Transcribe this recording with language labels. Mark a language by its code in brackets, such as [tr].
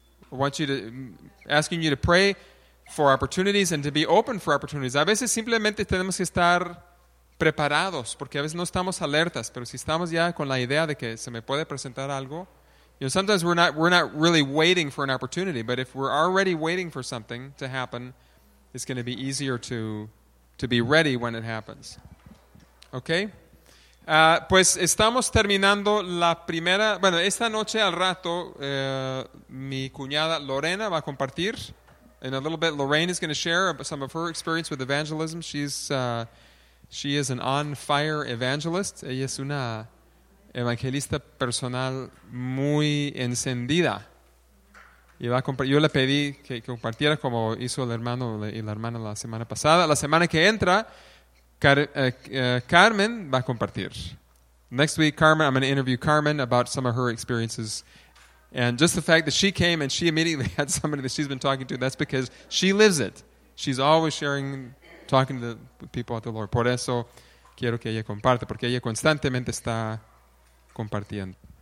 [en] I want you to, asking you to pray for opportunities and to be open for opportunities. [es] A veces simplemente tenemos que estar preparados, porque a veces no estamos alertas, pero si estamos ya con la idea de que se me puede presentar algo. [en] You know, sometimes we're not really waiting for an opportunity, but if we're already waiting for something to happen, it's going to be easier to be ready when it happens. [es] Okay? Pues estamos terminando la primera. Bueno, esta noche al rato, mi cuñada Lorena va a compartir. [en] In a little bit, Lorraine is going to share some of her experience with evangelism. She is an on-fire evangelist. [es] Ella es una evangelista personal muy encendida. Yo le pedí que compartiera como hizo el hermano y la hermana la semana pasada. La semana que entra, Carmen va a compartir. [en] Next week, Carmen, I'm going to interview Carmen about some of her experiences. And just the fact that she came and she immediately had somebody that she's been talking to, that's because she lives it. She's always sharing, talking to the people at the Lord. [es] Por eso quiero que ella comparte, porque ella constantemente está compartiendo.